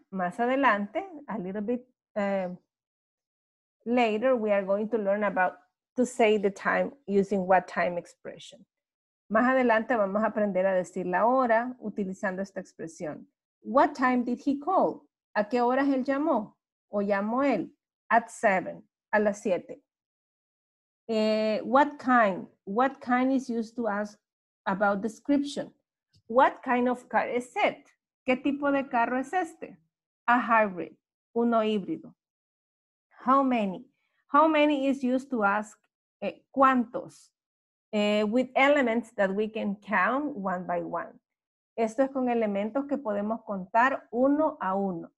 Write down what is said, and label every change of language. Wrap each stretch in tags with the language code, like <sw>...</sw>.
<es>Más adelante,</es> <en>a little bit later, we are going to learn about to say the time using what time expression.</en> <es>Más adelante vamos a aprender a decir la hora utilizando esta expresión.</es> <en>What time did he call?</en> <es>¿A qué horas él llamó? ¿O llamó él?</es> <en>At 7,</en> <es>a las 7.</es> <en>What kind? What kind is used to ask about description? What kind of car is it?</en> <es>¿Qué tipo de carro es este?</es> <en>A hybrid,</en> <es>uno híbrido.</es> <en>How many? How many is used to ask</en> <es>cuántos?</es> <en>with elements that we can count one by one.</en> <es>Esto es con elementos que podemos contar uno a uno.</es>